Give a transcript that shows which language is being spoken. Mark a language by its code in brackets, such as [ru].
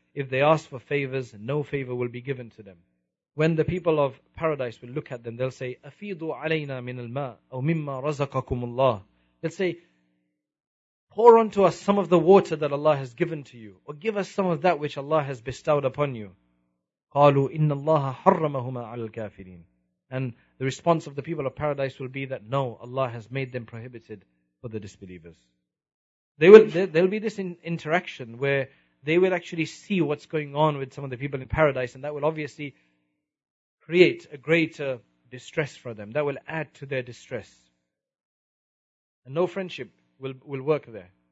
[en] If they ask for favors, no favor will be given to them. When the people of paradise will look at them, they'll say, [ar] أَفِيضُوا عَلَيْنَا مِنَ الْمَاءِ أَوْ مِمَّا رَزَقَكُمُ اللَّهِ. [en] They'll say, pour onto us some of the water that Allah has given to you, or give us some of that which Allah has bestowed upon you. [ar] قالوا إن الله حرمهما على الكافرين. [en] And the response of the people of paradise will be that no, Allah has made them prohibited for the disbelievers. There'll be this interaction where they will actually see what's going on with some of the people in paradise, and that will obviously create a greater distress for them. That will add to their distress. And no friendship will work there.